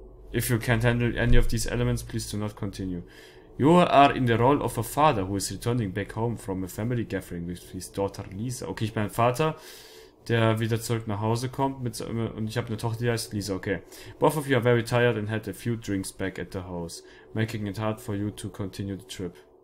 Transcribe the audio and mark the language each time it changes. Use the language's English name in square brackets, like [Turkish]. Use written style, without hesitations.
[English] If you can't handle any of these elements, please do not continue. You are in the role of a father who is returning back home from a family gathering with his daughter Lisa. [German] Okay, ich bin ein Vater, der wieder zurück nach Hause kommt mit, und ich habe eine Tochter, die heißt Lisa. Okay. [English] Both of you are very tired and had a few drinks back at the house, making it hard for you to continue the trip.